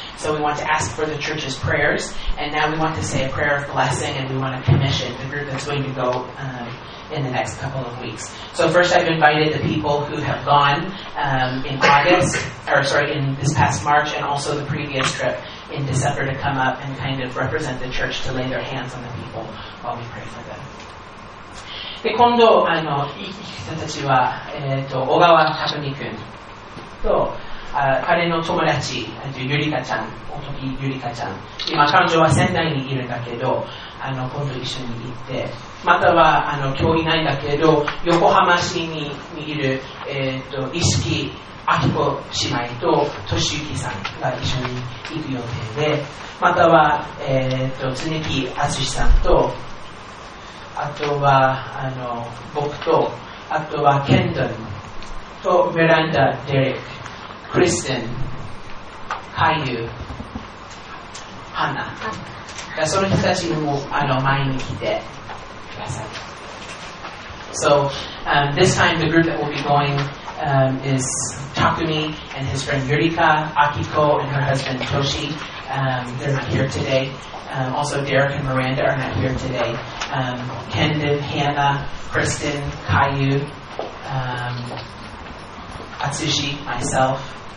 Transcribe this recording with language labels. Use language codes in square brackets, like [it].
[en] So we want to ask for the church's prayers, and now we want to say a prayer of blessing, and we want to commission the group that's going to go in the next couple of weeks. So first, I've invited the people who have gone in this past March, and also the previous trip in December, to come up and kind of represent the church, to lay their hands on the people while we pray for them. [ja] で今度人たちは小川たくみくんと彼の友達ゆりかちゃん、おとぎゆりかちゃん、今彼女は仙台にいるんだけど、今度一緒に行って、または今日いないんだけど横浜市にいる一色あきこ姉妹と俊幸さんが一緒に行く予定で、または常木敦さんと、あとは僕と、あとはケンドンとメランダ・デレック、クリステン、カイユ、ハナ、その人たちも前に来てください。 [en] So, this time the group that will be going is Takumi and his friend Yurika, Akiko and her husband Toshi. They're not here today. Also, Derek and Miranda are not here today. Kendon, Hannah, Kristen, Kayu, Atsushi, myself.